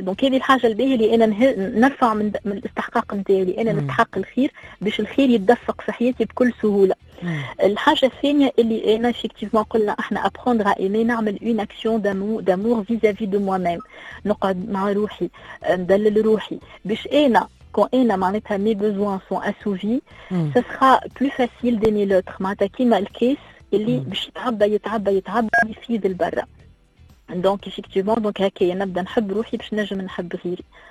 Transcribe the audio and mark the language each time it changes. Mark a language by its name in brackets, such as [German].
[Arabic] دونك هذه الحاجة الباهية اللي أنا نرفع من الاستحقاق نتاعي، أنا نستحق الخير باش الخير يتدفق في حياتي بكل سهولة. الحاجة الثانية اللي أنا effectivement قلنا احنا [French] apprendre à aimer، [Arabic] نعمل [French] une action d'amour vis-à-vis de moi-même، [Arabic] نقعد مع روحي، ندلل روحي باش أنا quand أنا معناتها [French] mes besoins sont assouvis، ce sera plus facile d'aimer l'autre. [Arabic] معناتها كيما الكيس اللي باش يتعبى يتعبى يتعبى يفيد البرة. دونك effectivement دونك هكايا نبدا نحب روحي باش نجم نحب غيري.